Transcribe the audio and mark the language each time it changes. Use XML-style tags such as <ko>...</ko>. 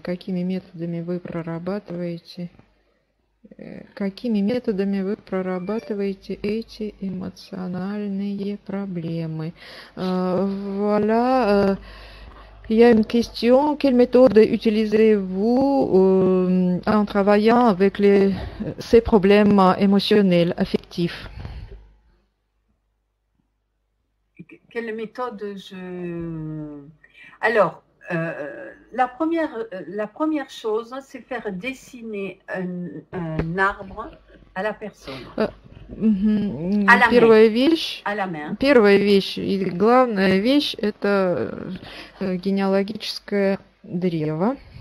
<ru>Какими методами вы прорабатываете? Какими методами вы прорабатываете эти эмоциональные проблемы?</ru> <fr>Voilà, il y a une question. Quelle méthode utilisez-vous en travaillant avec ces problèmes émotionnels, affectifs? Quelle méthode je... Alors, la première chose, c'est faire dessiner un arbre à la personne, à la main, à la main.</fr> <ru>Первая вещь и главная вещь это генеалогическое древо.</ru>